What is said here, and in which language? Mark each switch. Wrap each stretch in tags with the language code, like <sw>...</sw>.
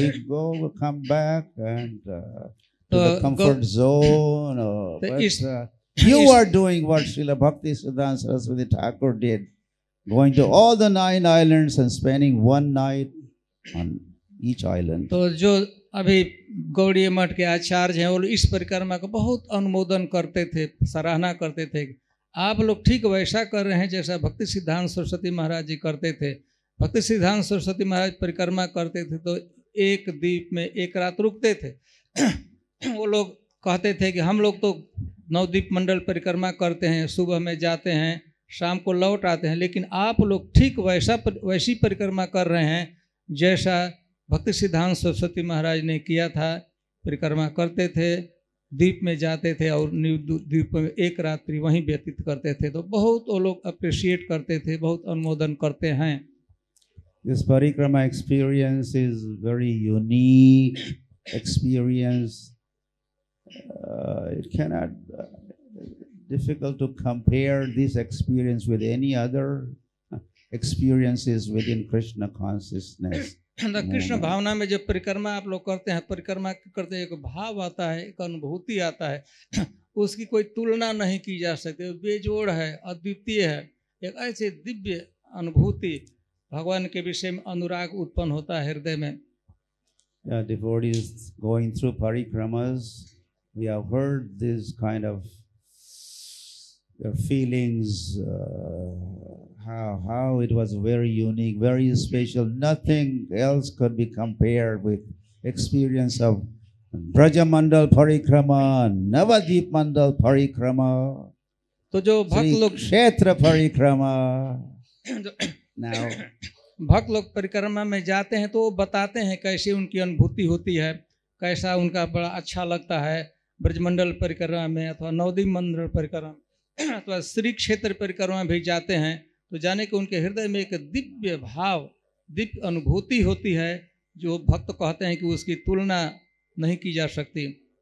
<en>We go, we come back and to the comfort zone. are doing what Srila Bhakti Siddhanta Saraswati Thakur did, going to all the 9 islands and spending one night on each island.</en> <hi>So, जो अभी गौड़ीय मठ के आचार्य हैं वो इस परिक्रमा को बहुत अनुमोदन करते थे, सराहना करते थे. आप लोग ठीक वैसा कर रहे हैं जैसा भक्ति सिद्धांत सरस्वती महाराज जी करते थे. भक्ति सिद्धांत सरस्वती महाराज परिक्रमा करते थे तो एक द्वीप में एक रात रुकते थे वो लोग कहते थे कि हम लोग तो नवद्वीप मंडल परिक्रमा करते हैं सुबह में जाते हैं शाम को लौट आते हैं लेकिन आप लोग ठीक वैसा वैसी परिक्रमा कर रहे हैं जैसा भक्ति सिद्धांत सरस्वती महाराज ने किया था परिक्रमा करते थे द्वीप में जाते थे और द्वीप में एक रात्रि वहीं व्यतीत करते थे तो बहुत वो लोग अप्रिशिएट करते थे बहुत अनुमोदन करते हैं</hi> <en>This Parikrama experience is very unique experience. It cannot difficult to compare this experience with any other experiences within Krishna consciousness.</en> <hi>The Krishna bhavana में जब परिक्रमा आप लोग करते हैं परिक्रमा करते हैं एक भाव आता है एक अनुभूति आता है उसकी कोई तुलना नहीं की जा सकती बेजोड़ है अद्वितीय है एक ऐसे दिव्य अनुभूति भगवान के विषय में अनुराग उत्पन्न होता है हृदय में</hi> <en>या devotees going through parikramas we have heard this kind of your feelings, how it was very unique, very special. Nothing else could be compared with experience of Braja Mandal Parikrama, Navadwip Mandal Parikrama, Sri Kshetra Parikrama. Now,</en> <hi>भक्त लोग परिक्रमा में जाते हैं तो वो बताते हैं कैसे उनकी अनुभूति होती है, कैसा उनका बड़ा अच्छा लगता है ब्रजमंडल परिक्रमा में अथवा नवदीप मंडल परिक्रमा अथवा श्री क्षेत्र परिक्रमा भी जाते हैं तो जाने के उनके हृदय में एक दिव्य भाव, दिव्य अनुभूति होती है जो भक्त कहते हैं कि उसकी तुलना नहीं की जा सकती.</hi>